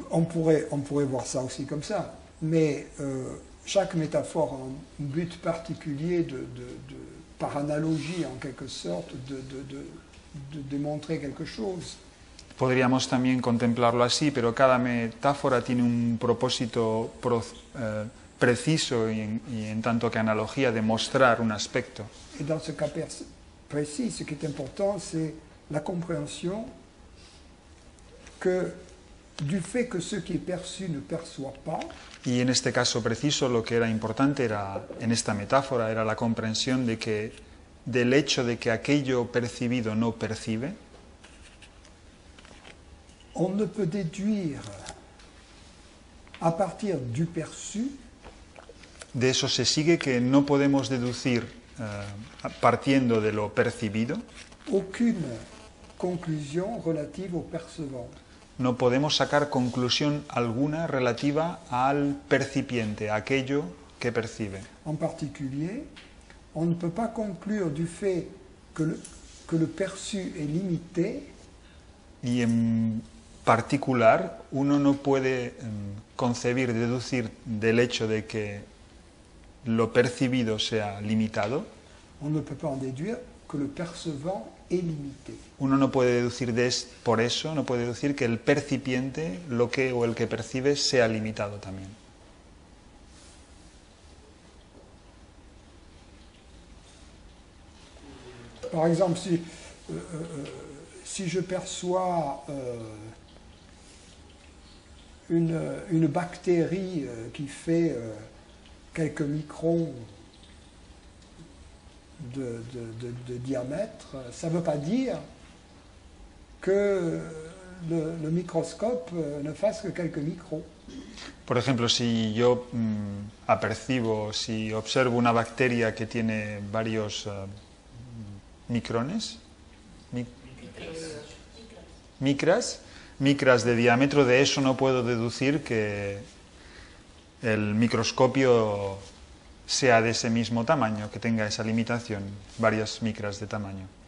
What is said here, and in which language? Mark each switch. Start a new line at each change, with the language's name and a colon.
French: On pourrait voir ça aussi comme ça. Mais chaque métaphore a un but particulier de par analogie en quelque sorte de démontrer quelque chose.
Spanish: Podríamos también contemplarlo así, pero cada metáfora tiene un propósito preciso y en tanto que analogía de mostrar un aspecto.
French: Et dans ce cas précis, ce qui est important, c'est la compréhension que du fait que ce qui est perçu ne perçoit pas.
Spanish: Y en este caso preciso, lo que era importante era, en esta metáfora, era la comprensión de que, del hecho de que aquello percibido no percibe.
French: On ne peut déduire à partir du perçu.
Spanish: De eso se sigue que no podemos deducir partiendo de lo percibido.
French: Aucune conclusion relative au percevant.
Spanish: No podemos sacar conclusión alguna relativa al percipiente, a aquello que percibe.
French: En particulier, on ne peut pas conclure du fait que le perçu est limité.
Spanish: Y en particular, uno no puede concebir, deducir del hecho de que lo percibido sea limitado.
French: On ne peut pas en déduire que le percevant est limité.
Spanish: Uno no puede deducir por eso que el percipiente, lo que o el que percibe, sea limitado también. Por ejemplo,
French: si je perçois une bactérie qui fait quelques microns de diamètre, ça ne veut pas dire que le microscope ne fasse que quelques microns.
Spanish: Por ejemplo, si yo apercibo, si observo una bacteria que tiene varios micrones, micras de diámetro, de eso no puedo deducir que el microscopio sea de ese mismo tamaño, que tenga esa limitación, varias micras de tamaño.